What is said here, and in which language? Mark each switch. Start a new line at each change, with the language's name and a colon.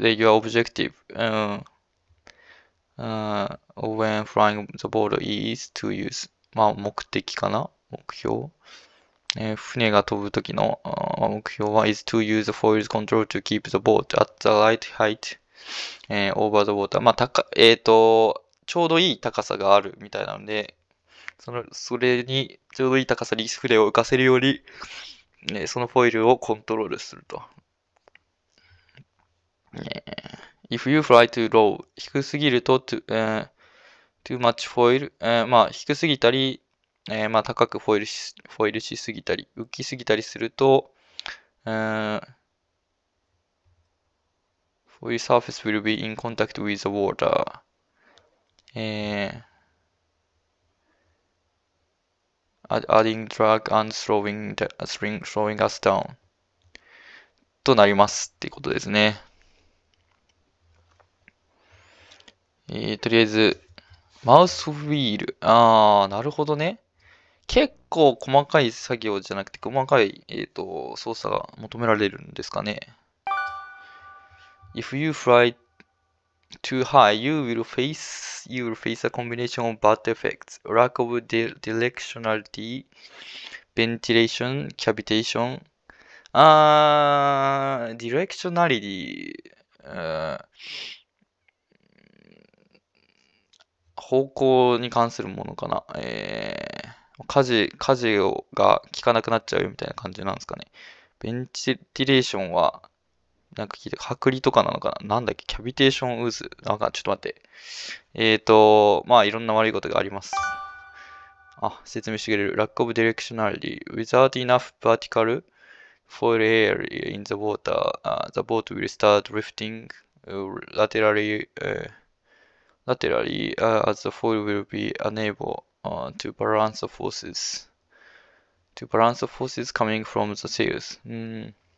English: で、your objective, when flying the ball is to use.
Japanese: まあ、目的かな？目標。船が飛ぶ時の、目標は
English: is to use the foil's control to keep the boat at the right height, over the water.
Japanese: まあ、ちょうどいい高さがあるみたいなので、それにちょうどいい高さに船を浮かせるように、そのフォイルをコントロールすると。
English: If you fly too low,
Japanese: 低すぎると
English: too much foil,
Japanese: まあ低すぎたり、まあ高くフォイルしすぎたり、浮きすぎたりすると、フォイルサーフェス
English: will be in contact with the water. Adding drag and slowing us down.
Japanese: となりますってことですね。とりあえず、マウスウィール。ああ、なるほどね。結構細かい作業じゃなくて、細かい、操作が求められるんですかね。
English: If you fly too high, you will face a combination of bad effects. Lack of directionality, ventilation, cavitation. ああ、directionality。
Japanese: 方向に関するものかな。舵が効かなくなっちゃうみたいな感じなんですかね。ベンチティレーションは、なんか聞いて、剥離とかなのかな。なんだっけ、キャビテーションウーズ。なんか、ちょっと待って。まあ、いろんな悪いことがあります。あ、説明してくれる。
English: Lack of directionality. Without enough vertical foil air in the water, the boat will start drifting laterally. Laterally, as the foil will be unable, to balance the forces coming from the sails.